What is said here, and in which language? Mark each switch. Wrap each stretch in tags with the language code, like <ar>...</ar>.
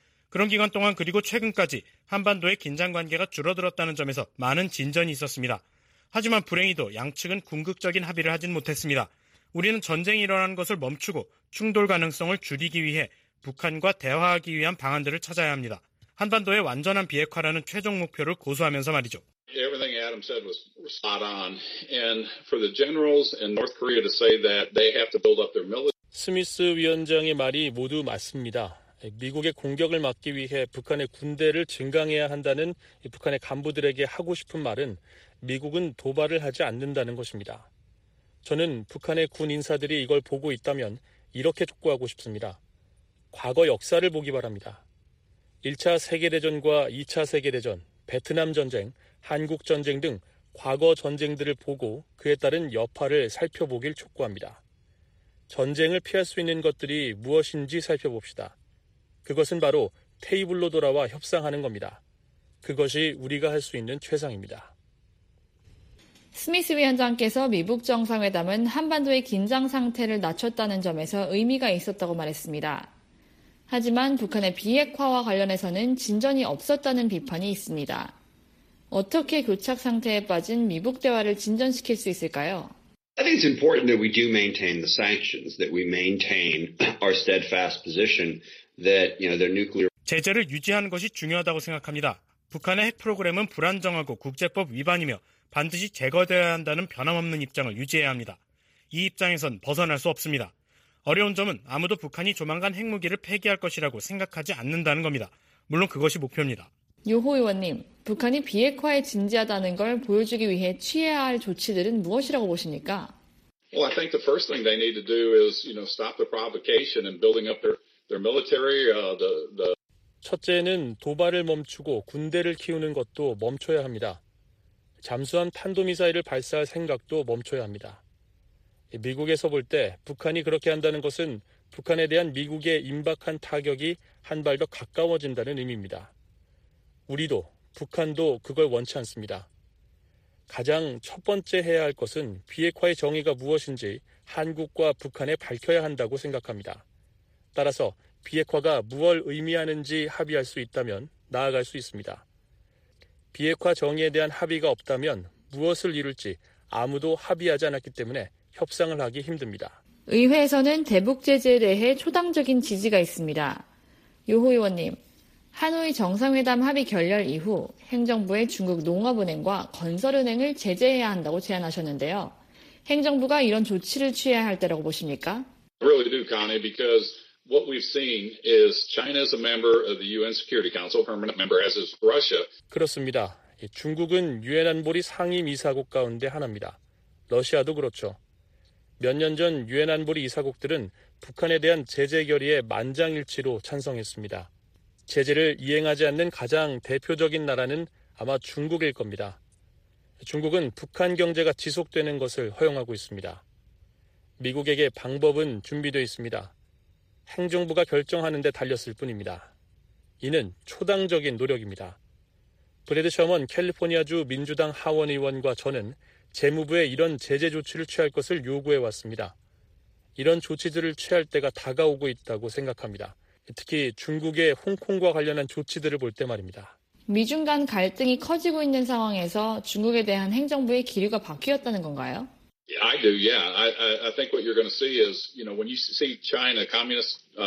<ko>그런 기간 동안 그리고 최근까지 한반도의 긴장관계가 줄어들었다는 점에서 많은 진전이 있었습니다. 하지만 불행히도 양측은 궁극적인 합의를 하진 못했습니다. 우리는 전쟁이 일어나는 것을 멈추고 충돌 가능성을 줄이기 위해 북한과 대화하기 위한 방안들을 찾아야 합니다. 한반도의 완전한 비핵화라는 최종 목표를 고수하면서 말이죠.</ko> <en>Everything Adam said was spot on. And for the generals in North Korea to say that they have to build up their military.</en> <ko>스미스 위원장의 말이 모두 맞습니다. 미국의 공격을 막기 위해 북한의 군대를 증강해야 한다는 북한의 간부들에게 하고 싶은 말은 미국은 도발을 하지 않는다는 것입니다. 저는 북한의 군 인사들이 이걸 보고 있다면 이렇게 촉구하고 싶습니다. 과거 역사를 보기 바랍니다. 1차 세계대전과 2차 세계대전, 베트남 전쟁, 한국 전쟁 등 과거 전쟁들을 보고 그에 따른 여파를 살펴보길 촉구합니다. 전쟁을 피할 수 있는 것들이 무엇인지 살펴봅시다. 그것은 바로 테이블로 돌아와 협상하는 겁니다. 그것이 우리가 할 수 있는 최상입니다. 스미스 위원장께서 미북 정상회담은 한반도의 긴장 상태를 낮췄다는 점에서 의미가 있었다고 말했습니다. 하지만 북한의 비핵화와 관련해서는 진전이 없었다는 비판이 있습니다. 어떻게 교착 상태에 빠진 미북 대화를 진전시킬 수 있을까요?</ko> <en>I think it's important that we do maintain the sanctions, that we maintain our steadfast position that, you know, their nuclear</en> <ko>제재를 유지하는 것이 중요하다고 생각합니다. 북한의 핵 프로그램은 불안정하고 국제법 위반이며 반드시 제거되어야 한다는 변함없는 입장을 유지해야 합니다. 이 입장에선 벗어날 수 없습니다. 어려운 점은 아무도 북한이 조만간 핵무기를 폐기할 것이라고 생각하지 않는다는 겁니다. 물론 그것이 목표입니다. 요호 의원님, 북한이 비핵화에 진지하다는 걸 보여주기 위해 취해야 할 조치들은 무엇이라고 보십니까?</ko> <en>Well, I think the first thing they need to do is, you know, stop the provocation and building up their military.</en> <ko>첫째는 도발을 멈추고 군대를 키우는 것도 멈춰야 합니다. 잠수함 탄도미사일을 발사할 생각도 멈춰야 합니다. 미국에서 볼 때 북한이 그렇게 한다는 것은 북한에 대한 미국의 임박한 타격이 한 발 더 가까워진다는 의미입니다. 우리도 북한도 그걸 원치 않습니다. 가장 첫 번째 해야 할 것은 비핵화의 정의가 무엇인지 한국과 북한에 밝혀야 한다고 생각합니다. 따라서 비핵화가 무엇을 의미하는지 합의할 수 있다면 나아갈 수 있습니다. 비핵화 정의에 대한 합의가 없다면 무엇을 이룰지 아무도 합의하지 않았기 때문에 협상을 하기 힘듭니다. 의회에서는 대북 제재에 대해 초당적인 지지가 있습니다. 요호 의원님, 하노이 정상회담 합의 결렬 이후 행정부의 중국 농업은행과 건설은행을 제재해야 한다고 제안하셨는데요. 행정부가 이런 조치를 취해야 할 때라고 보십니까?</ko> <en>Really do, Connie, because what we've seen is China is a member of the UN Security Council, permanent member, as is Russia.</en> <ko>그렇습니다. 중국은 유엔 안보리 상임 이사국 가운데 하나입니다. 러시아도 그렇죠. 몇 년 전 유엔 안보리 이사국들은 북한에 대한 제재 결의에 만장일치로 찬성했습니다. 제재를 이행하지 않는 가장 대표적인 나라는 아마 중국일 겁니다. 중국은 북한 경제가 지속되는 것을 허용하고 있습니다. 미국에게 방법은 준비되어 있습니다. 행정부가 결정하는 데 달렸을 뿐입니다. 이는 초당적인 노력입니다. 브래드 셔먼 캘리포니아주 민주당 하원의원과 저는 재무부에 이런 제재 조치를 취할 것을 요구해 왔습니다. 이런 조치들을 취할 때가 다가오고 있다고 생각합니다. 특히 중국의 홍콩과 관련한 조치들을 볼 때 말입니다. 미중 간 갈등이 커지고 있는 상황에서 중국에 대한 행정부의 기류가 바뀌었다는 건가요?</ko> <en>Yeah, I do. Yeah. I think what you're going to see is, you know, when you see China communist</en>